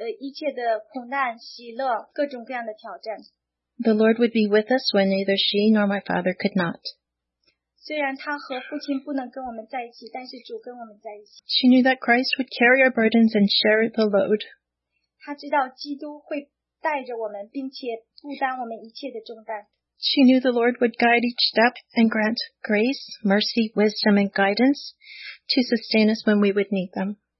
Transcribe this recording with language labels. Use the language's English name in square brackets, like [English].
[Chinese] 在经过生活中一切的苦难、喜乐、各种各样的挑战。 [English] The Lord would be with us when neither she nor my father could not. [Chinese] 虽然他和父亲不能跟我们在一起，但是主跟我们在一起。 [English] She knew that Christ would carry our burdens and share the load. [Chinese] 他知道基督会带着我们，并且负担我们一切的重担。 [English] She knew the Lord would guide each step and grant grace, mercy, wisdom, and guidance to sustain us when we would need them.